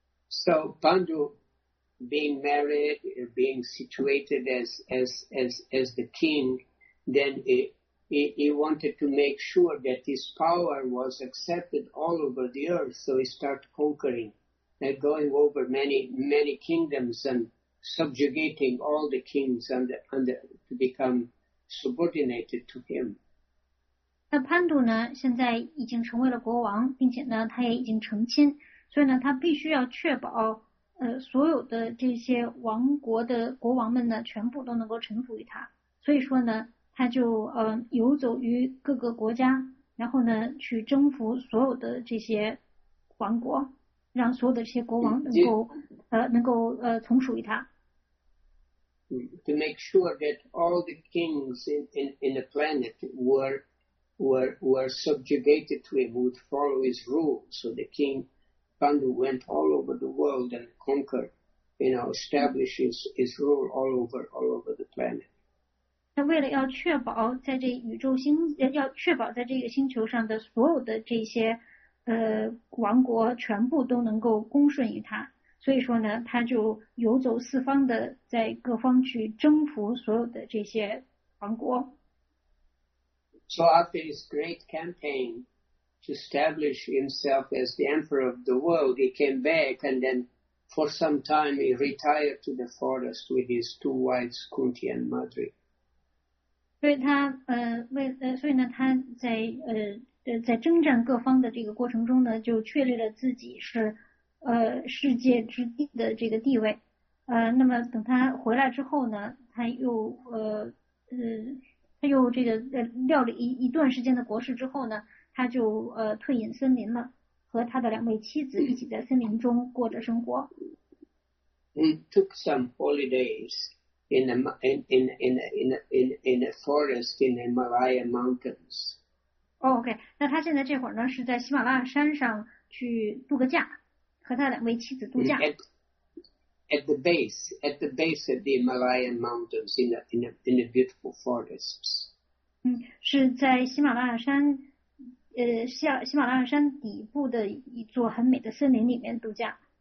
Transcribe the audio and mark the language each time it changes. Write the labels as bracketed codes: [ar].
[en] So Pandu being married, being situated as the king, then he wanted to make sure that his power was accepted all over the earth. So he started conquering and going over many, many kingdoms and subjugating all the kings under to become subordinated to him. [zh] 那潘度呢现在已经成为了国王，并且呢他也已经成亲，所以呢他必须要确保所有的这些王国的国王们呢全部都能够臣服于他，所以说呢他就游走于各个国家，然后呢去征服所有的这些王国，让所有的这些国王能够从属于他。 [en] To make sure that all the kings in the planet were subjugated to him, would follow his rule. So the king Pandu went all over the world and conquered, you know, established his rule all over the planet. [zh] 那为了要确保在这宇宙星，要确保在这个星球上的所有的这些王国全部都能够恭顺于他，所以说呢，他就游走四方的，在各方去征服所有的这些王国。 [en] So after his great campaign to establish himself as the emperor of the world, he came back and then for some time he retired to the forest with his two wives, Kunti and Madri. [zh] 所以他所以呢他在在征战各方的这个过程中呢就确立了自己是世界之地的这个地位。那么等他回来之后呢他又他又这个料理一段时间的国事之后呢，他就退隐森林了，和他的两位妻子一起在森林中过着生活。 [en] He took some holidays in a forest in the Himalaya mountains. [zh] Oh, okay, 那他现在这会儿呢是在喜马拉雅山上去度个假，和他两位妻子度假。 [en] At the base of the Himalayan mountains in the beautiful forests. [zh] 是在喜马拉雅山底部的一座很美的森林里面度假。